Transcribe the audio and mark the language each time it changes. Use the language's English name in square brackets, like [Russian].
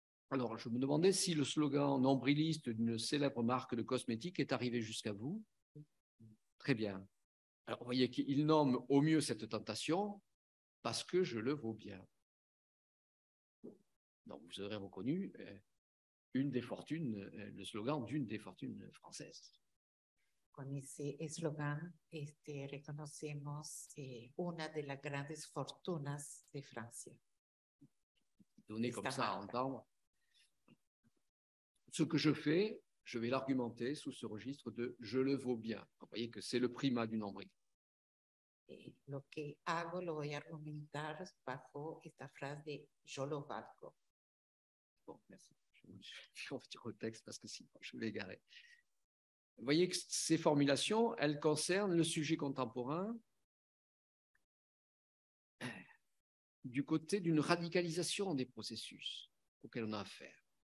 [French] Alors, je me demandais si le slogan nombriliste d'une célèbre marque de cosmétiques est arrivé jusqu'à vous. Très bien. Alors, vous voyez qu'il nomme au mieux cette tentation, parce que je le vaux bien. Donc, vous aurez reconnu une des fortunes, le slogan d'une des fortunes françaises. [Spanish] Con ese eslogan reconocemos una de las grandes fortunas de Francia. [French] Donner comme ça à entendre. Ce que je fais, je vais l'argumenter sous ce registre de « je le vaux bien ». Vous voyez que c'est le primat du nombril. [Spanish] Lo que hago, lo voy a argumentar bajo esta frase de « [French] je le [Spanish] valgo ». [French] Bon, merci. Je vais revenir au texte parce que sinon je vais égarer. Vous voyez que ces formulations, elles concernent le sujet contemporain du côté d'une radicalisation des processus auxquels on a affaire.